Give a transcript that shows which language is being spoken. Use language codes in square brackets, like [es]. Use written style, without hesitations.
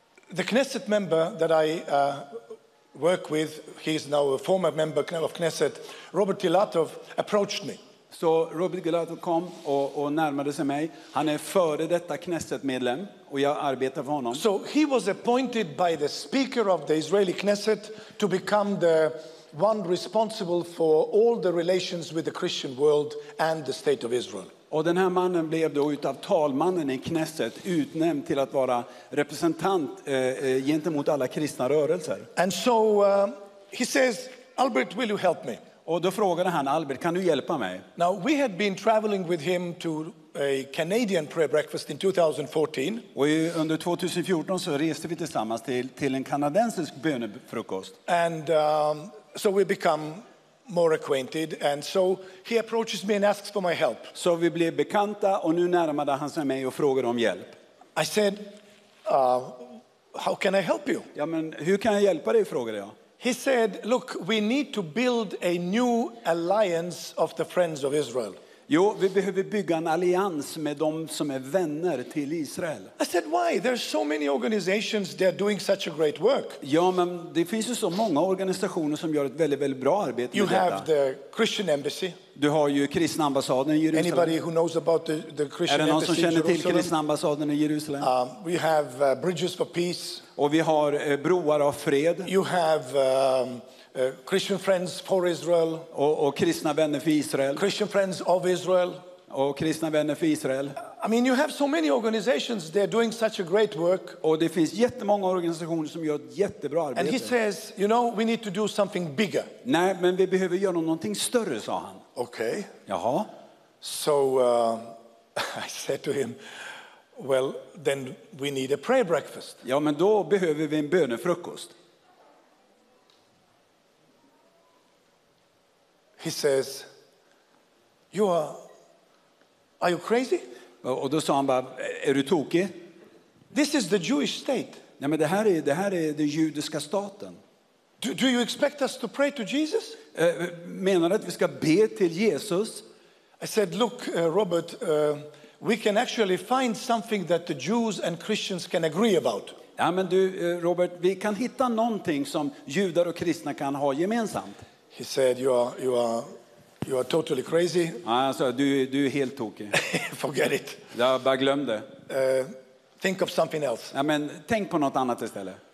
[en] the Knesset member that I work with, he is now a former member of Knesset, Robert Gilatov, approached me. [sv] Så Robert Gilatov kom och närmade sig mig. Han är före detta Knesset-medlem och jag arbetar för honom. [en] So he was appointed by the speaker of the Israeli Knesset to become the one responsible for all the relations with the Christian world and the state of Israel. [sv] Och den här mannen blev då utav talmannen i Knesset utnämnd till att vara representant gentemot alla kristna rörelser. [en] And so he says, Albert, will you help me? [sv] Och då frågade han, Albert, kan du hjälpa mig? [en] Now we had been traveling with him to a Canadian prayer breakfast in 2014. [sv] Och under 2014 så reste vi tillsammans till en kanadensisk bönefrukost. [en] And so we become more acquainted, and so he approaches me and asks for my help. [sv] Så vi blev bekanta och nu närmade han sig mig och frågade om hjälp. [en] I said, how can I help you? [sv] Ja, men hur kan jag hjälpa dig, frågade jag. [en] He said, look, we need to build a new alliance of the friends of Israel. [sv] Jo, vi behöver bygga en allians med de som är vänner till Israel. [en] I said, why? There are so many organizations that are doing such a great work. [sv] Ja, men det finns ju så många organisationer som gör ett väldigt, väldigt bra arbete [en] you [sv] med detta. [en] You have the Christian Embassy. [sv] Du har ju kristna ambassaden i Jerusalem. [en] Anybody who knows about the Christian Embassy in Jerusalem. [sv] Är det någon som känner till kristna ambassaden i Jerusalem? [en] We have Bridges for Peace. [sv] Och vi har broar av fred. [en] You have Christian Friends for Israel. [sv] Och kristna vänner för Israel. [en] Christian Friends of Israel. [sv] Och kristna vänner för Israel. [en] I mean, you have so many organizations, they're doing such a great work. [sv] Och det finns jättemånga organisationer som gör ett jättebra arbete. [en] And he says, you know, we need to do something bigger. [sv] Nej, men vi behöver göra någonting större, sa han. [en] Okay. [sv] Jaha. [en] So I said to him, well, then we need a prayer breakfast. [sv] Ja, men då behöver vi en bönefrukost. [en] He says, are you crazy? [sv] Och då sa han bara, är du tokig? [en] This is the Jewish state. [sv] Nej, men det här är den judiska staten. [en] Do you expect us to pray to Jesus? [sv] Menar du att vi ska be till Jesus? [en] I said, look, Robert, we can actually find something that the Jews and Christians can agree about. [sv] Ja, men du, Robert, vi kan hitta någonting som judar och kristna kan ha gemensamt. [en] He said, you are totally crazy. [sv] Alltså, du är helt tokig. [en] Forget it. [sv] Jag bara glömde. [en] Think of something else. [sv] Ja, men tänk på något annat istället.